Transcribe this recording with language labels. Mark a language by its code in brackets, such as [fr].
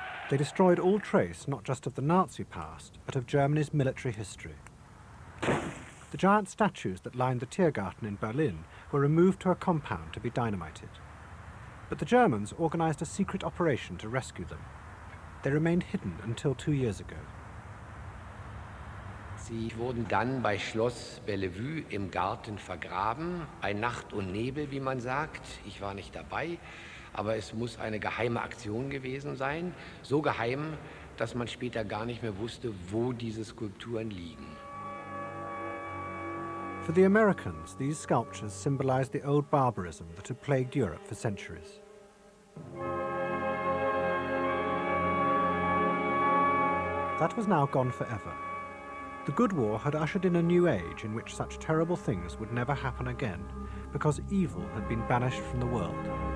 [en] They destroyed all trace, not just of the Nazi past, but of Germany's military history. The giant statues that lined the Tiergarten in Berlin were removed to a compound to be dynamited. But the Germans organized a secret operation to rescue them. They remained hidden until 2 years ago. [de] Sie wurden dann bei Schloss Bellevue im Garten vergraben, bei Nacht und Nebel, wie man sagt. Ich war nicht dabei, aber es muss eine geheime Aktion gewesen sein. So geheim, dass man später gar nicht mehr wusste, wo diese Skulpturen liegen. [en] For the Americans, these sculptures symbolize the old barbarism that had plagued Europe for centuries. That was now gone forever. The Good War had ushered in a new age in which such terrible things would never happen again, because evil had been banished from the world.